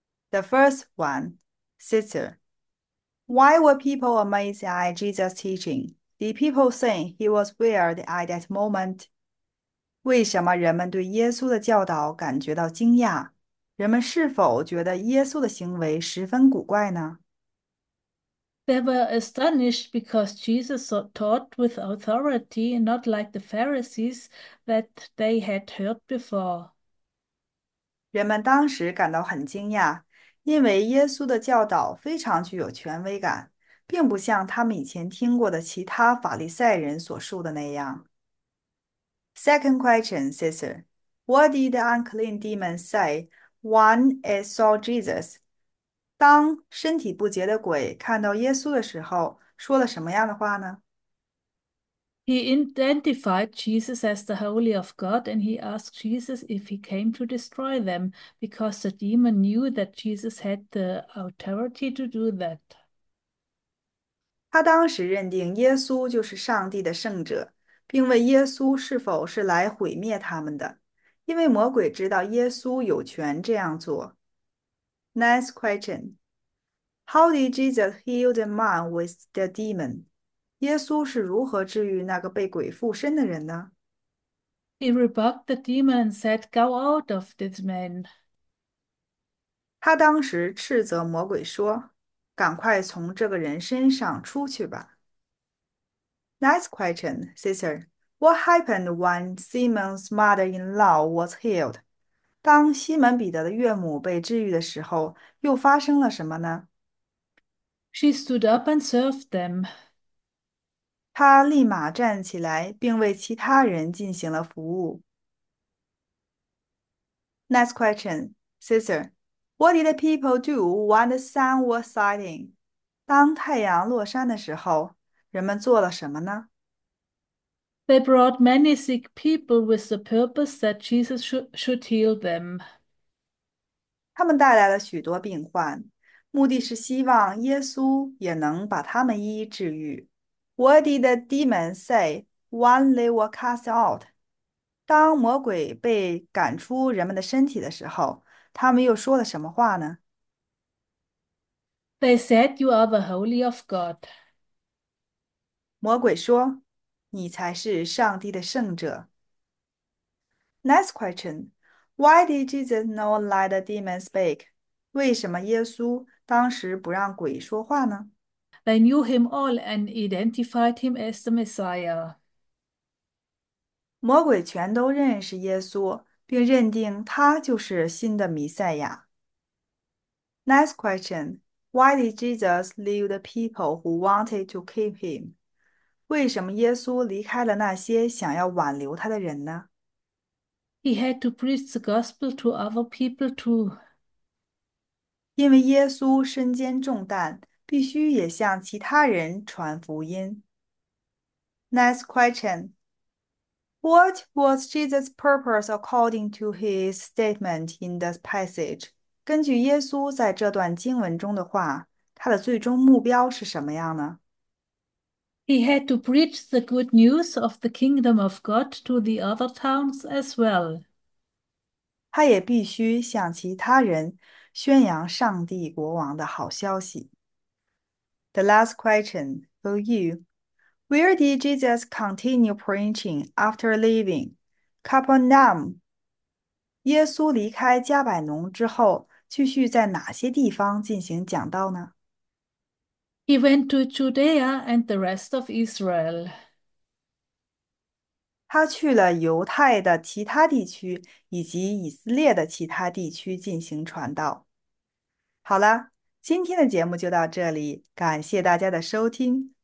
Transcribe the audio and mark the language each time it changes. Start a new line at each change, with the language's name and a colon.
English: The first one, sister, why were people amazed at Jesus' teaching? Did people think he was weird at that moment?
Chinese: 为什么人们对耶稣的教导感觉到惊讶？人们是否觉得耶稣的行为十分古怪呢？
English: They were astonished because Jesus taught with authority, not like the Pharisees that they had heard before.
Chinese: 人们当时感到很惊讶，因为耶稣的教导非常具有权威感，并不像他们以前听过的其他法利赛人所述的那样。
English: Second question, sister, what did the unclean demon say when it saw Jesus?
Chinese: 当身体不洁的鬼看到耶稣的时候，说了什么样的话呢？
English: He identified Jesus as the Holy of God and he asked Jesus if he came to destroy them because the demon knew that Jesus had the authority to do that.
Chinese: 他当时认定耶稣就是上帝的圣者，并问耶稣是否是来毁灭他们的，因为魔鬼知道耶稣有权这样做。
English: Next question: How did Jesus heal the man with the demon?
Chinese: 耶稣是如何治愈那个被鬼附身的人呢？
English: He rebuked the demon and said, Go out of this man.
Chinese: 他当时斥责魔鬼说：“赶快从这个人身上出去吧。
English: Next question, sister. What happened when Simon's mother-in-law was healed?
Chinese: 当西门彼得的岳母被治愈的时候，又发生了什么呢？
English: She stood up and served them.
Chinese: 他立马站起来，并为其他人进行了服务。
English: Next question, sister. What did the people do when the sun was setting?
Chinese: 当太阳落山的时候，人们做了什么呢？
English: They brought many sick people with the purpose that Jesus should heal them.
Chinese: 他们带来了许多病患，目的是希望耶稣也能把他们一一治愈。
English: What did the demons say when they were cast out?
Chinese: 当魔鬼被赶出人们的身体的时候，他们又说了什么话呢？
English: They said you are the holy of God.
Chinese: 魔鬼说：“你才是上帝的圣者。
English: ”Next question: Why did Jesus not let the demons speak?
Chinese: 为什么耶稣当时不让鬼说话呢？
English: They knew him all and identified him as the Messiah.
Chinese: 魔鬼全都认识耶稣，并认定他就是新的弥赛亚。
English: Next question: Why did Jesus leave the people who wanted to keep him?
Chinese: 为什么耶稣离开了那些想要挽留他的人呢？
English: He had to preach the gospel to other people too.
Chinese: 因为耶稣身兼重担，必须也向其他人传福音。
English: Next question: What was Jesus' purpose according to his statement in the passage?
Chinese: 根据耶稣在这段经文中的话，他的最终目标是什么样呢？
English: He had to preach the good news of the kingdom of God to the other towns as well.
Chinese: 他也必须向其他人宣扬上帝国王的好消息。
English: The last question for you. Where did Jesus continue preaching after leaving Capernaum?
Chinese: 耶稣离开加百农之后，继续在哪些地方进行讲道呢？
English: He went to Judea and the rest of Israel.
Chinese: 他去了犹太的其他地区以及以色列的其他地区进行传道。好了，今天的节目就到这里，感谢大家的收听。